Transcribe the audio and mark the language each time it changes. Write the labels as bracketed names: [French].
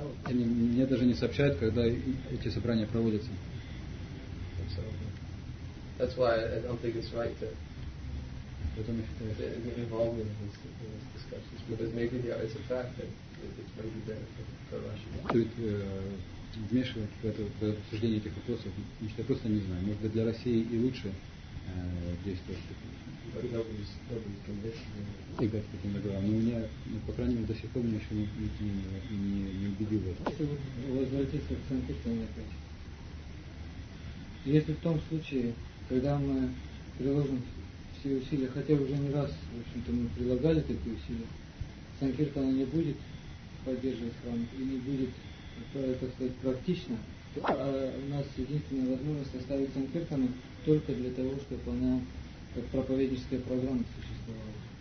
[Russian] Мне даже не сообщают, когда эти собрания проводятся. [English] That's why I don't think it's right to be involved in this discussions, because maybe there is a fact that it may be better for Russia. [Russian] Вмешивать в обсуждение этих вопросов, потому что я просто не знаю. Может быть, для России и лучше действовать. Но у меня, по крайней мере, до сих пор меня еще не убедил в этом. Если вы возвратитесь к Санкт-Петербургу опять. Если в том случае, когда мы приложим все усилия, хотя уже не раз, в общем-то, мы прилагали такие усилия, Санкт-Петербург не будет поддерживать храм и не будет, так сказать, практично, то у нас единственная возможность оставить Санкт-Петербург только для того, чтобы она как проповедническая программа существовала.